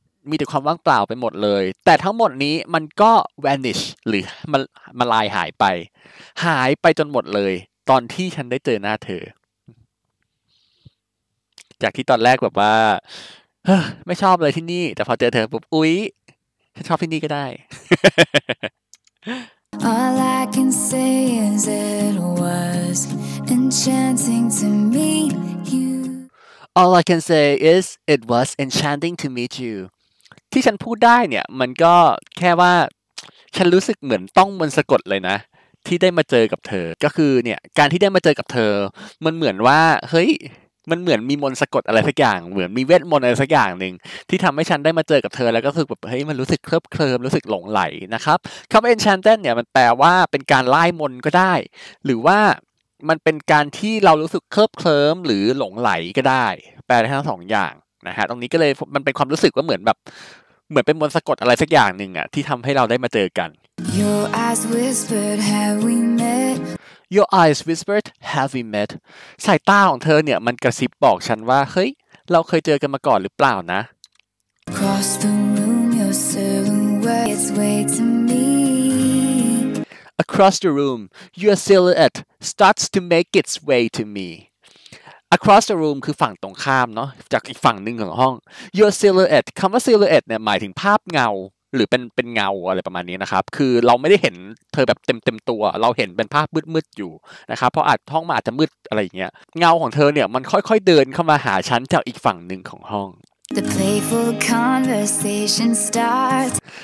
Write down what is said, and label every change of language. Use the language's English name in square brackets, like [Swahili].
[Thai] มีแต่ความว่างเปล่าไปหมดเลยแต่ทั้งหมดนี้มันก็ vanish หรือมันลายหายไปหายไปจนหมดเลยตอนที่ฉันได้เจอหน้าเธอจากที่ตอนแรกแบบว่าไม่ชอบเลยที่นี่แต่พอเจอเธอปุ๊บอุ๊ยฉันชอบที่นี่ก็ได้ [English] All I can say is it was enchanting to meet you. All I can say is it was enchanting to meet you. [Thai] ที่ฉันพูดได้เนี่ยมันก็แค่ว่าฉันรู้สึกเหมือนต้องมนต์สะกดเลยนะที่ได้มาเจอกับเธอก็คือเนี่ยการที่ได้มาเจอกับเธอมันเหมือนว่าเฮ้ยมันเหมือนมีมนต์สะกดอะไรสักอย่างเหมือนมีเวทมนต์อะไรสักอย่างนึงที่ทำให้ฉันได้มาเจอกับเธอแล้วก็รู้สึกแบบเฮ้ยมันรู้สึกเคลิบเคลิ้มรู้สึกหลงใหลนะครับคำว่า enchanted เนี่ยมันแปลว่าเป็นการไล่มนต์ก็ได้หรือว่า มันเป็นการที่เรารู้สึกเคลิบเคลิ้มหรือหลงใหลก็ได้แปลได้ทั้งสองอย่างนะฮะตรงนี้ก็เลยมันเป็นความรู้สึกว่าเหมือนแบบเหมือนเป็นมนต์สะกดอะไรสักอย่างนึงอ่ะที่ทำให้เราได้มาเจอกัน [English] Your eyes whispered, have we met? Your eyes whispered, have we met? [Thai] สายตาของเธอเนี่ยมันกระซิบบอกฉันว่าเฮ้ยเราเคยเจอกันมาก่อนหรือเปล่านะ [English] Cross the room, your silhouette is waiting to me. Across the room, your silhouette starts to make its way to me. Across the room [Thai] คือฝั่งตรงข้ามเนาะจากอีกฝั่งหนึ่งของห้อง Your silhouette, คำว่า silhouette เนี่ยหมายถึงภาพเงาหรือเป็นเงาอะไรประมาณนี้นะครับคือเราไม่ได้เห็นเธอแบบเต็มตัวเราเห็นเป็นภาพมืดๆอยู่นะครับเพราะอาจห้องมันอาจจะมืดอะไรอย่างเงี้ยเงาของเธอเนี่ยมันค่อยๆเดินเข้ามาหาฉันจากอีกฝั่งนึงของห้อง [English] The playful conversation starts